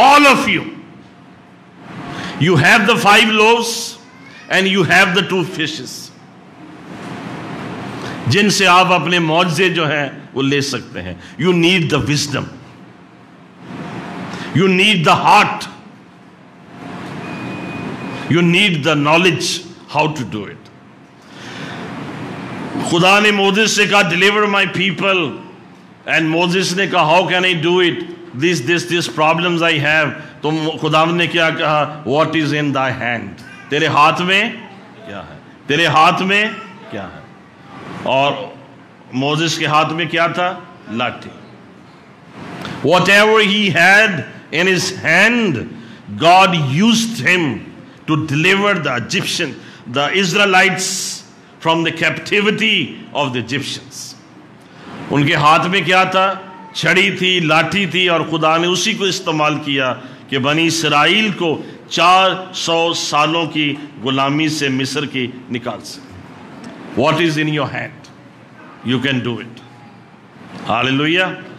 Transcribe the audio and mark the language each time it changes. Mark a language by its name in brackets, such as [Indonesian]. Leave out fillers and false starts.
[English] all of you, you have the five loaves and you have the two fishes, [Hindi] जिनसे आप अपने मौजज़े जो हैं वो ले सकते हैं। [English] You need the wisdom, you need the heart, You need the knowledge how to do it. [Hindi] खुदा ने मोसेस से कहा, [English] deliver my people, and Moses [Hindi] ने कहा, [English] how can I do it? These problems I have. [Hindi] तो खुदा ने क्या कहा, [English] what is in thy hand? [Hindi] तेरे हाथ में क्या है, तेरे हाथ में क्या है? और मोसेस के हाथ में क्या था? लाठी। [English] Whatever he had in his hand, God used him to deliver the Egyptian, the Israelites from the captivity of the Egyptians. [Hindi] उनके हाथ में क्या था? छड़ी थी, लाठी थी, और खुदा ने उसी को इस्तेमाल किया कि बनी इसराइल को 400 सालों की गुलामी से मिस्र की निकाल सके। [English] What is in your hand? You can do it. Hallelujah.